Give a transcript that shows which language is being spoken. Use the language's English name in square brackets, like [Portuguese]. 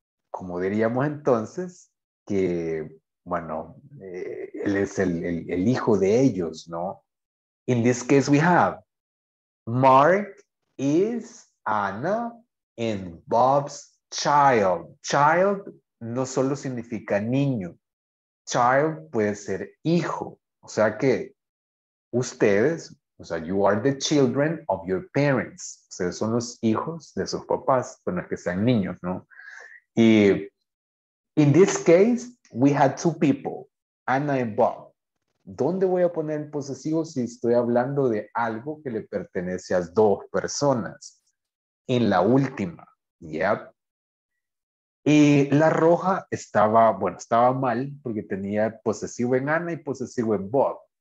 [Spanish] Como diríamos entonces, que, bueno, él es el hijo de ellos, ¿no? [English] In this case, we have Mark is Anna and Bob's child. [Spanish] Child no solo significa niño. Child puede ser hijo. O sea que ustedes, o sea, [English] you are the children of your parents. [Spanish] Ustedes son los hijos de sus papás, bueno, es que sean niños, ¿no? [English] Y in this case, we had two people, Anna and Bob. [Spanish] ¿Dónde voy a poner el posesivo si estoy hablando de algo que le pertenece a dos personas? En la última. Yep. Y la roja estaba, bueno, estaba mal porque tenía posesivo en Ana y posesivo en Bob.